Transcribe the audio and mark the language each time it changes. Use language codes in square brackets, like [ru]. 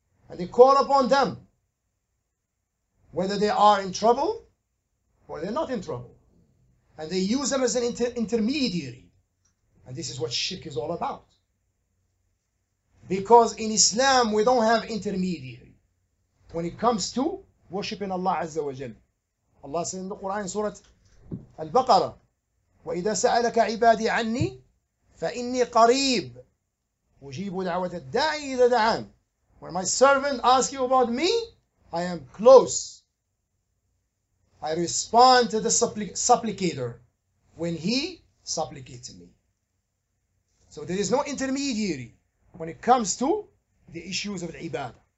[en] And they call upon them, whether they are in trouble or they're not in trouble. And they use them as an intermediary. And this is what shirk is all about. Because in Islam, we don't have intermediary when it comes to worshipping Allah Azza wa Jal. Allah said in the Quran, [ar] Surah Al-Baqarah, وَإِذَا سَأَلَكَ عِبَادِي عَنِّي فَإِنِّي قَرِيبٌ أُجِيبُ دَعْوَةَ الدَّاعِي إِذَا دَعَانِ. [en] When my servant asks you about me, I am close. I respond to the supplicator when he supplicates me. So there is no intermediary when it comes to the issues of ibadah.